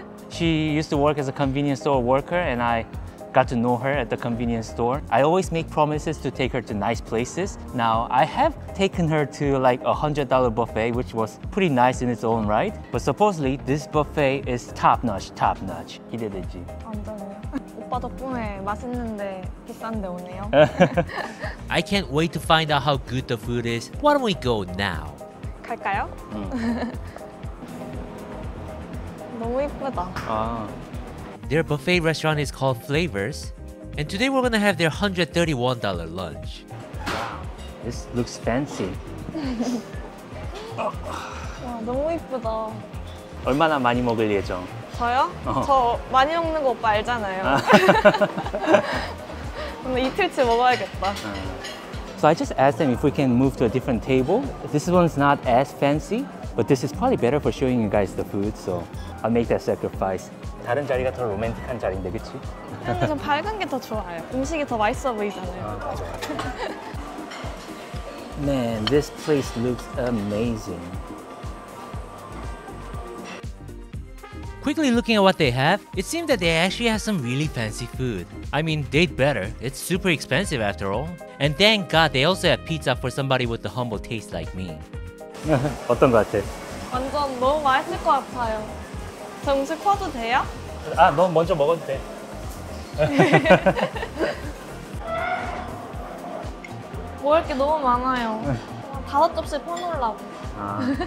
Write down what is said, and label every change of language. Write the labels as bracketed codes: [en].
[en] She used to work as a convenience store worker, and I got to know her at the convenience store. I always make promises to take her to nice places. Now, I have taken her to like a $100 buffet, which was pretty nice in its own right. But supposedly, this buffet is top-notch, top-notch. [ko] 기대되지? 오빠 덕분에 맛있는데 비싼데 오네요. [en] I can't wait to find out how good the food is. Why don't we go now? [ko] 갈까요? 너무 예쁘다. 아. [en] Their buffet restaurant is called Flavors, and today we're gonna have their $131 lunch. Wow, this looks fancy. [ko] 와, 너무 예쁘다. 얼마나 많이 먹을 예정? 저요? 저 많이 먹는 거 오빠 알잖아요. 오늘 이틀치 먹어야겠다. [en] So I just asked them if we can move to a different table. This one's not as fancy, but this is probably better for showing you guys the food, so I'll make that sacrifice. [ko] 다른 자리가 더 로맨틱한 자리인데, 그치? 아니, 전 밝은 게 더 좋아요. 음식이 더 맛있어 보이잖아요. 맞아. [en] Man, this place looks amazing. Quickly looking at what they have, it seems that they actually have some really fancy food. I mean, they'd better. It's super expensive after all. And thank God they also have pizza for somebody with a humble taste like me. [ko] 어떤 거 같아? 완전 너무 맛있을 것 같아요. 저 음식 퍼도 돼요? 아, 너 먼저 먹어도 돼. 먹을 게 너무 많아요. 다섯 접시 퍼놓으려고. 아,